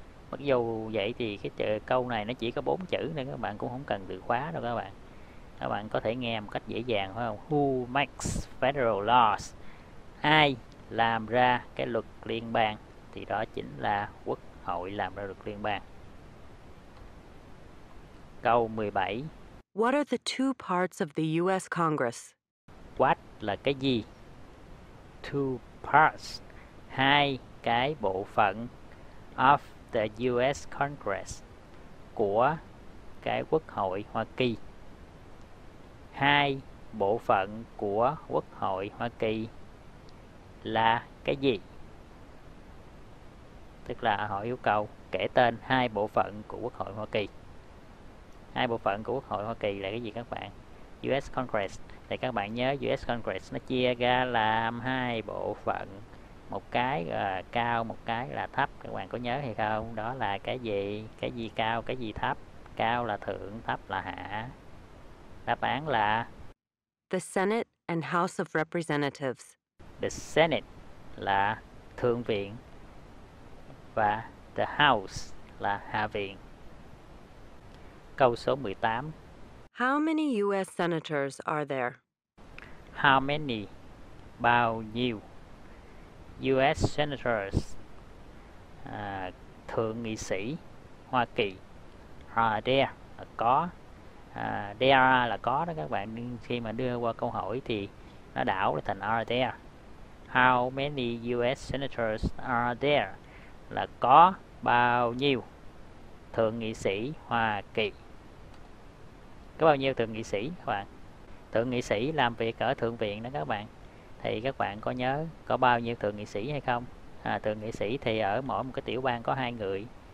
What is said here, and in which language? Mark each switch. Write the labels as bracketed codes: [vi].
[vi] Mặc dù vậy thì cái câu này nó chỉ có 4 chữ nên các bạn cũng không cần từ khóa đâu các bạn. Các bạn có thể nghe một cách dễ dàng phải không? [en] Who makes federal laws? [vi] Ai làm ra cái luật liên bang? Thì đó chính là quốc hội làm ra luật liên bang. Câu 17. [en] What are the two parts of the US Congress? What [vi] là cái gì? [en] Two parts, [vi] hai cái bộ phận, [en] of the US Congress, [vi] của cái Quốc hội Hoa Kỳ. Hai bộ phận của Quốc hội Hoa Kỳ là cái gì? Tức là họ yêu cầu kể tên hai bộ phận của Quốc hội Hoa Kỳ. Hai bộ phận của Quốc hội Hoa Kỳ là cái gì các bạn? US Congress. Thì các bạn nhớ US Congress nó chia ra làm hai bộ phận. Một cái là cao, một cái là thấp. Các bạn có nhớ hay không? Đó là cái gì? Cái gì cao, cái gì thấp? Cao là thượng, thấp là hạ. Đáp án là [en] The Senate and House of Representatives. [vi] The Senate là Thượng viện và the House là Hạ viện. Câu số 18. [en] How many US senators are there? How many? [vi] Bao nhiêu? [en] US senators, [vi] thượng nghị sĩ Hoa Kỳ. [en] Are there [vi] là có. [en] There are [vi] là có đó các bạn. Khi mà đưa qua câu hỏi thì nó đảo thành [en] are there. How many US senators are there? [vi] Là có bao nhiêu thượng nghị sĩ Hoa Kỳ? Có bao nhiêu thượng nghị sĩ các bạn? Thượng nghị sĩ làm việc ở thượng viện đó các bạn. Thì các bạn có nhớ có bao nhiêu thượng nghị sĩ hay không? Thượng nghị sĩ thì ở mỗi một cái tiểu bang có 2 người.